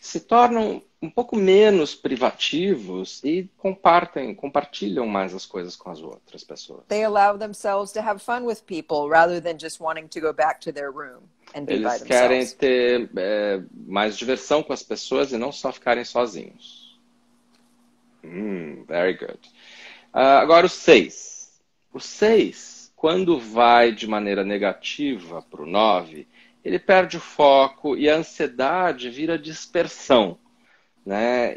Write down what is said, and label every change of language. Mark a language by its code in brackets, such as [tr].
[pt] Se tornam um pouco menos privativos e compartilham mais as coisas com as outras pessoas. [en] They allow themselves to have fun with people rather than just wanting to go back to their room. [pt] Eles querem ter mais diversão com as pessoas e não só ficarem sozinhos. [en] Very good. [pt] Agora o 6. O 6, quando vai de maneira negativa para o 9, ele perde o foco e a ansiedade vira dispersão, né?